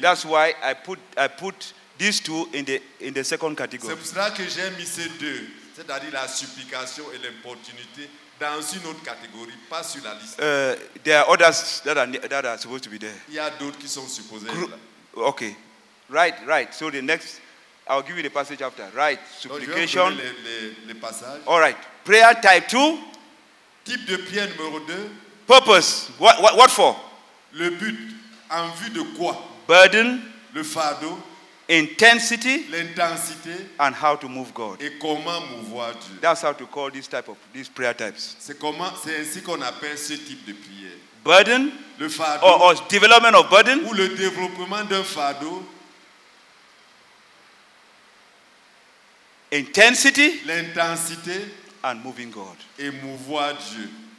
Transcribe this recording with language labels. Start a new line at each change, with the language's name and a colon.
English: That's why I put these two in the second category.
French: C'est pour cela que j'ai mis ces deux. C'est-à-dire la supplication et l'importunité dans une autre catégorie, pas sur la liste.
English: There are others that are supposed to be there.
French: Il y a d'autres qui sont supposés.
English: Okay, right. So the next, I'll give you the passage after. Right, supplication.
French: Donc, je vais vous donner le passage.
English: All right, prayer type 2.
French: Type de prière numéro 2.
English: Purpose. What for?
French: Le but. En vue de quoi?
English: Burden.
French: Le fardeau.
English: Intensity,
French: l'intensité,
English: and how to move God.
French: Et comment mouvoir Dieu.
English: That's how to call this type of these prayer types.
French: C'est ainsi qu'on appelle ce type de prière.
English: Burden,
French: le fardeau,
English: or development of burden,
French: ou le développement d'un fardeau.
English: Intensity,
French: l'intensité,
English: and moving God.
French: Et mouvoir Dieu.